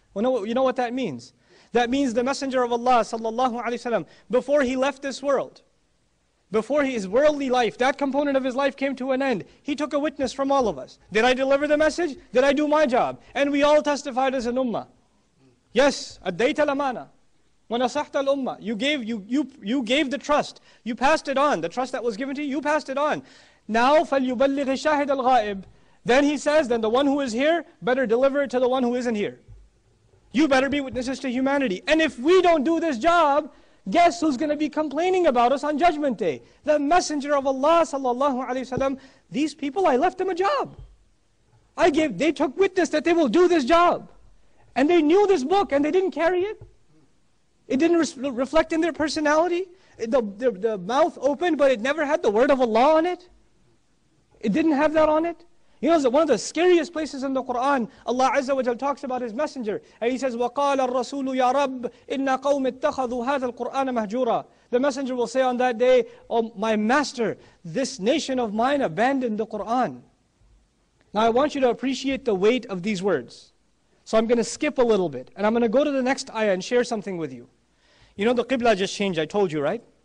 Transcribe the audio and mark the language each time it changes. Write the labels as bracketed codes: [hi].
[en] Well, you know what that means? That means the messenger of Allah, sallallahu alayhi wasalam, before he left this world, before his worldly life, that component of his life came to an end, he took a witness from all of us. Did I deliver the message? Did I do my job? And we all testified as an ummah. Yes, [ar] addayta al-amana. Wa nasahta al-ummah. [en] You gave the trust. You passed it on. The trust that was given to you, you passed it on. Now, [ar] فَلْيُبَلِّغِ الشَّاهِدَ الْغَائِبِ. [en] Then he says, then the one who is here, better deliver it to the one who isn't here. You better be witnesses to humanity. And if we don't do this job, guess who's going to be complaining about us on Judgment Day? The Messenger of Allah sallallahu alayhi wa sallam. These people, I left them a job. They took witness that they will do this job. And they knew this book and they didn't carry it. It didn't reflect in their personality. The mouth opened, but it never had the word of Allah on it. It didn't have that on it. You know, one of the scariest places in the Quran, Allah Azza wa Jalla talks about His Messenger. And He says, [ar] وَقَالَ الرَّسُولُ يَا رَبِّ إِنَّ قَوْمِ اتَّخَذُوا هَذَا الْقُرْآنَ مَهْجُورًا. [en] The Messenger will say on that day, oh my Master, this nation of mine abandoned the Quran. Now I want you to appreciate the weight of these words. So I'm going to skip a little bit. And I'm going to go to the next ayah and share something with you. You know, the Qibla just changed, I told you, right?